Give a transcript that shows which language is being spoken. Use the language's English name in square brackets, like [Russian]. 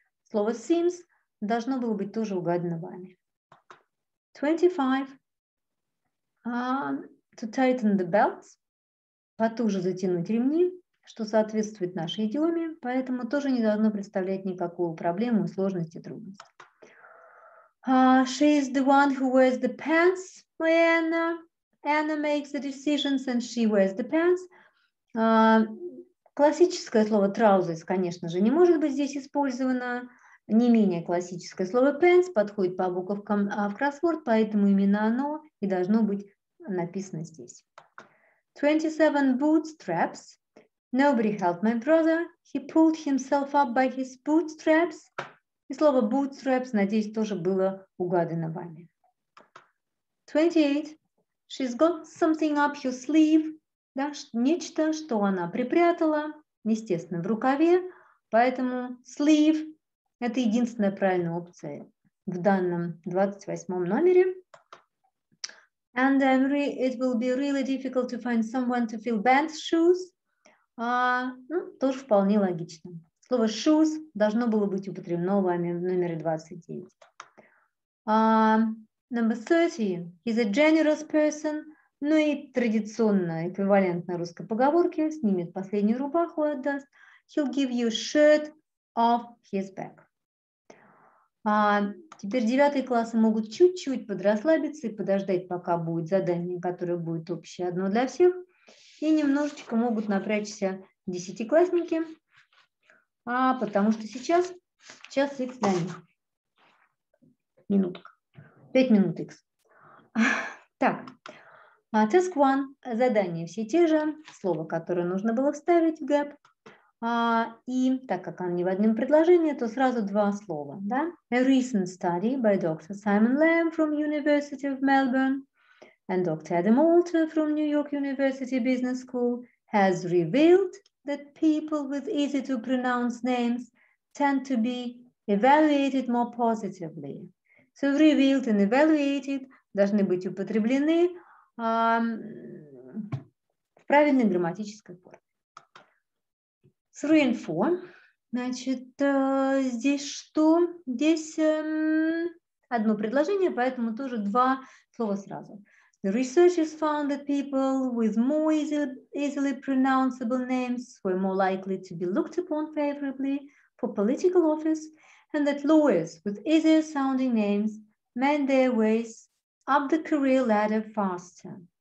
[Russian] Слово seams должно было быть тоже угадано вами. 25. [English] To tighten the belts, [Russian] потуже затянуть ремни, что соответствует нашей идиоме, поэтому тоже не должно представлять никакую проблему, сложности, трудности. [English] She is the one who wears the pants, Anna. Anna makes the decisions and she wears the pants. [Russian] Классическое слово trousers, конечно же, не может быть здесь использовано. Не менее классическое слово pants подходит по буквам в кроссворд, поэтому именно оно и должно быть написано здесь. [English] 27 bootstraps. Nobody helped my brother. He pulled himself up by his bootstraps. [Russian] И слово bootstraps, надеюсь, тоже было угадано вами. 28. [English] She's got something up her sleeve. [Russian] Да, нечто, что она припрятала, естественно, в рукаве. Поэтому sleeve – это единственная правильная опция в данном 28 номере. [English] And it will be really difficult to find someone to fill Ben's shoes. [Russian] Ну, тоже вполне логично. Слово shoes должно было быть употреблено вами в номере 29. [English] Number 30. He's a generous person. [Russian] Ну и традиционно эквивалентно русской поговорке. Снимет последнюю рубаху и отдаст. [English] He'll give you a shirt off his back. [Russian] Теперь девятые классы могут чуть-чуть подрасслабиться и подождать, пока будет задание, которое будет общее одно для всех. И немножечко могут напрячься десятиклассники, потому что сейчас час X для них. Минутка. 5 минут X. Так, [English] task one. [Russian] Задание все те же. Слово, которое нужно было вставить в gap. И так как они в одном предложении, то сразу два слова. Да? [English] A recent study by Dr. Simon Lam from University of Melbourne and Dr. Adam Alter from New York University Business School has revealed that people with easy to pronounce names tend to be evaluated more positively. [Russian] So revealed and evaluated должны быть употреблены в правильной грамматической форме. [English] 3 and 4. [Russian] Значит, здесь что? Здесь одно предложение, поэтому тоже два слова сразу. [English] The researchers found that people with more easily pronounceable names were more likely to be looked upon favorably for political office, and that lawyers with easier sounding names made their ways up the career ladder faster.